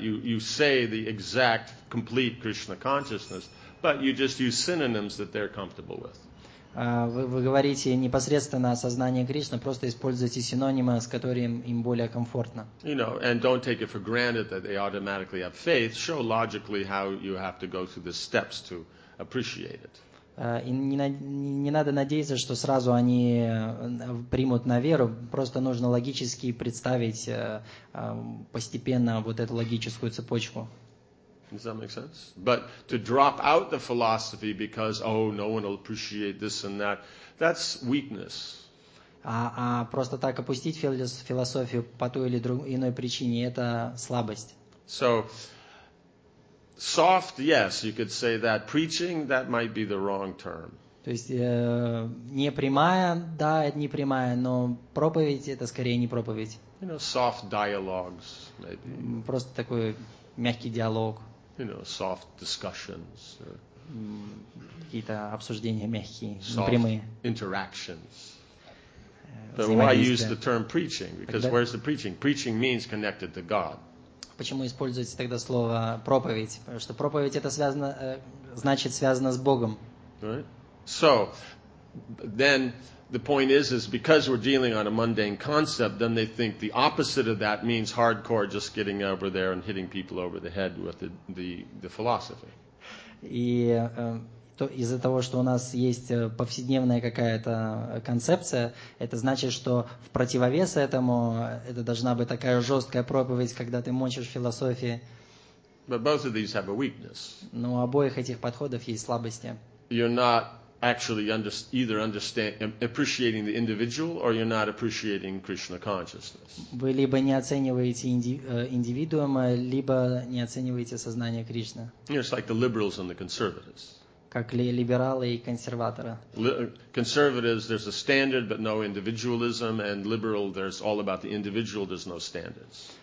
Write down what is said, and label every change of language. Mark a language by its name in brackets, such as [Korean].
[English] You say the exact complete Krishna consciousness, but you just use synonyms that they're comfortable with. [Russian] Вы говорите непосредственно о сознании Кришны, просто используйте синонимы, с которыми им более комфортно. [English] You know, and don't take it for granted that they automatically have faith. Show logically how you have to go through the steps to appreciate it. [Russian] Не надо надеяться, что сразу они примут на веру, просто нужно логически представить постепенно вот эту логическую цепочку. [English] Does that make sense? But to drop out the philosophy because, oh, no one will appreciate this and that, that's weakness. [Russian] А просто так опустить философию по той или иной причине, это слабость. [English] So, soft, yes, you could say that. Preaching, that might be the wrong term. [Russian] То есть непрямая, да, это непрямая, но проповедь это скорее не проповедь. [English] You know, soft dialogues, maybe. [Russian] Просто такой мягкий диалог. [English] You know, soft discussions. [Russian] Какие-то обсуждения мягкие, непрямые. [English] Soft interactions. But why use the term preaching? Because where's the preaching? Preaching means connected to God. [Russian] Почему используется тогда слово проповедь? Потому что проповедь это связано, значит, связано с Богом. [English] Right. So then the point is because we're dealing on a mundane concept, then they think the opposite of that means hardcore, just getting over there and hitting people over the head with the philosophy. [Russian] И то из-за того, что у нас есть повседневная какая-то концепция, это значит, что в противовес этому это должна быть такая жесткая проповедь, когда ты мочишь философии. [English] But both of these have a weakness. [Russian] Но у обоих этих подходов есть слабости. [English] You're not actually either understanding, appreciating the individual, or you're not appreciating Krishna consciousness. [Russian] Вы либо не оцениваете индивидуума, либо не оцениваете сознание Кришны. [English] It's like the liberals and the conservatives. [Russian] Как либералы и консерваторы. [English] Conservatives, there's a standard, but no individualism, and liberal, there's all about the individual, there's no standards.